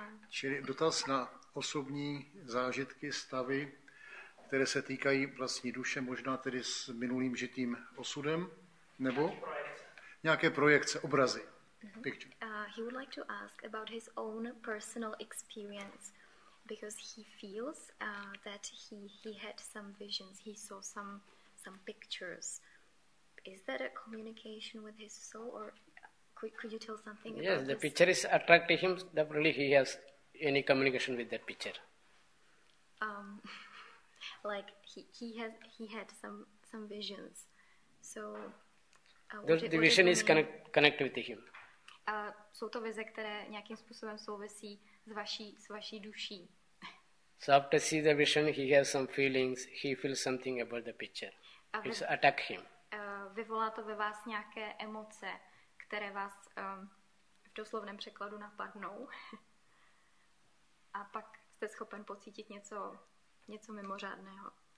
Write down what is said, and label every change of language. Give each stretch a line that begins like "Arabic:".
Czech: Čili dotaz na osobní zážitky, stavy, které se týkají vlastní duše, možná tedy s minulým žitým osudem, nebo nějaké projekce, obrazy.
English: He would like to ask about his own personal experience, because he feels that he had some visions, he saw some pictures. Is that a communication with his soul, or could you tell something about this? Yes, the picture is attracting him, definitely he has any communication with that picture. Like he had some visions. So the vision is connected with him.
Czech: Jsou to vize, které nějakým způsobem souvisí s vaší duší.
English: So after see the vision, he has some feelings, he feels something about the picture. It's attack him.
Czech: Vyvolá to ve vás nějaké emoce, které vás v doslovném překladu napadnou. A pak jste schopen pocítit něco mimořádného.